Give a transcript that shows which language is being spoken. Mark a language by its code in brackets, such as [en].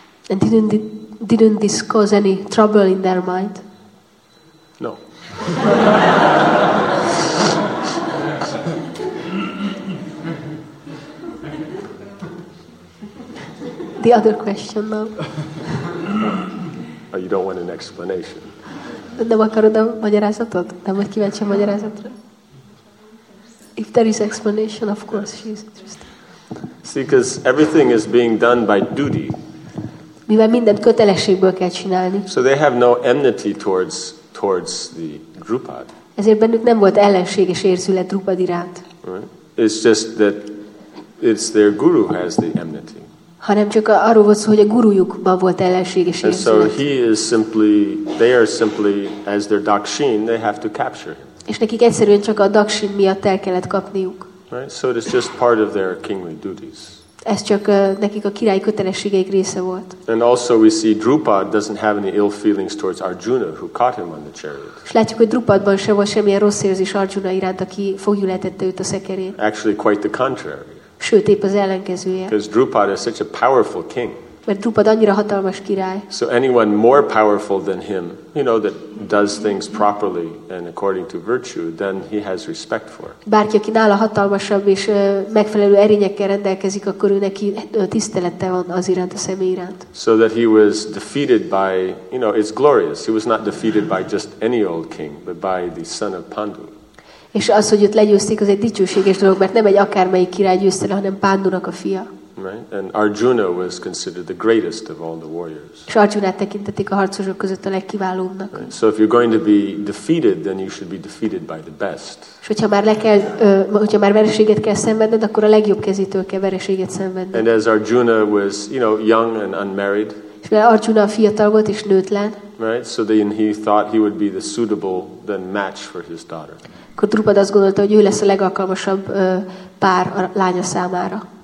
[en] And didn't this cause any trouble in their mind? No. The other question now. Oh, you don't want an explanation. [hu] Nem akarod a magyarázatot? Nem vagy kíváncsi a magyarázatra? [en] If there is explanation, of course she is interested. See, because everything is being done by duty. [hu] Mivel mindent kötelességből kell csinálni. [en] So they have no enmity towards the Drupad. [hu] Ezért bennük nem volt ellenséges érzület Drupad iránt. [en] Right? It's just that it's their guru has the enmity. [hu] Hanem csak arról volt szó, hogy a gurujukban volt ellenséges érzület. [en] So he is simply, they are simply, as their dakshin, they have to capture him. [hu] És nekik egyszerűen csak a dakshin miatt el kellett kapniuk. [en] Right? So it is just part of their kingly duties. [hu] Ez csak nekik a király kötelességeik része volt. [en] And also we see Drupad doesn't have any ill feelings towards Arjuna, who caught him on the chariot. [hu] És látjuk, hogy Drupadban sem volt semmilyen rossz érzés Arjuna iránt, aki foglyulhetette őt a szekerén. [en] Actually quite the contrary. [hu] Sőt, épp az ellenkezője. [en] Because Drupad is such a powerful king. [hu] Mert Drupad annyira hatalmas király. [en] So anyone more powerful than him, you know, that does things properly and according to virtue, then he has respect for. [hu] Bárki, aki nála hatalmasabb és megfelelő erényekkel rendelkezik, akkor ő neki tisztelete van az iránt, a személy iránt. [en] So that he was defeated by, you know, it's glorious. He was not defeated by just any old king, but by the son of Pandu. [hu] És az, hogy őt legyőzték, az egy dicsőséges dolog, mert nem egy akármelyik király győzte le, hanem Pándunak a fia. [en] Right? And Arjuna was considered the greatest of all the warriors. [hu] És Arjunát tekintették a harcosok között a legkiválóbbnak. [en] Right? So if you're going to be defeated, then you should be defeated by the best. [hu] És hogyha már vereséget kell szenvedned, akkor a legjobb kezétől kell vereséget szenvedned. [en] And as Arjuna was, you know, young and unmarried. [hu] És mivel Arjuna fiatal volt és nőtlen. [en] Right? So then he thought he would be the suitable then match for his daughter. [hu] Akkor Drupad azt gondolta, hogy ő lesz a legalkalmasabb pár a lánya számára.